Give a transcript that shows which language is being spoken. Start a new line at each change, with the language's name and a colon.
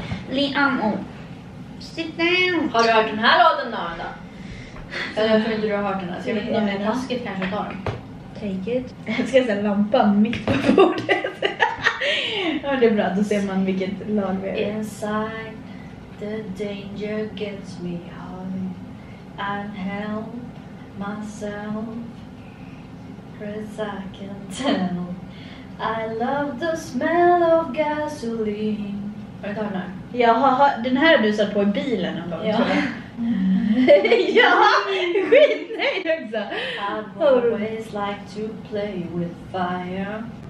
English: Liamo. Sit down.
Swedish: Har du hört den här låten då? Jag tror inte du har hört den här, så jag vet inte om det är taskigt kanske att ta den.
English: Take it.
Swedish: Jag ska sätta lampan mitt på bordet. Ja, det är bra, då ser man vilket lag vi är.
English: Inside. The danger gets me high. I help myself, cause I can tell. I love the smell of gasoline.
Swedish: Har du tagit den här? Jag har, den här har du satt på i bilen någon gång. Ja. Ja, skitnöjd också.
English: I've always liked to play with fire.